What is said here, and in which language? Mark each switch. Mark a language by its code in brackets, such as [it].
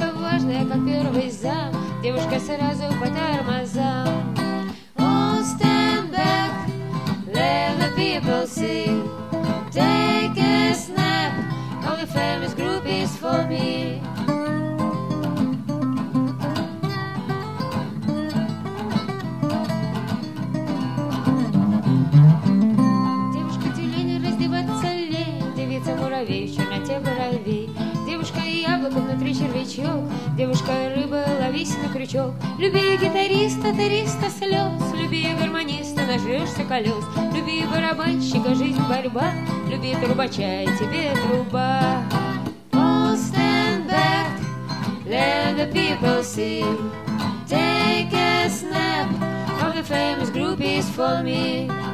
[ru] Важная, как первый зам. Девушка сразу по тормозам. [en] Oh, stand back, let the people see. Take a snap of the famous groupies for me. [ru] Девушка-тюлень раздеваться лень. Девица-муравей еще на те брови. Яблоко внутри червячок. Девушка рыба, ловись на крючок. Люби гитариста, тариста слез. Люби гармониста, нажрешься колес. Люби барабанщика, жизнь борьба. Люби трубача, и тебе труба. [en] Oh, stand back, let the people see. Take a snap of the famous groupies for me.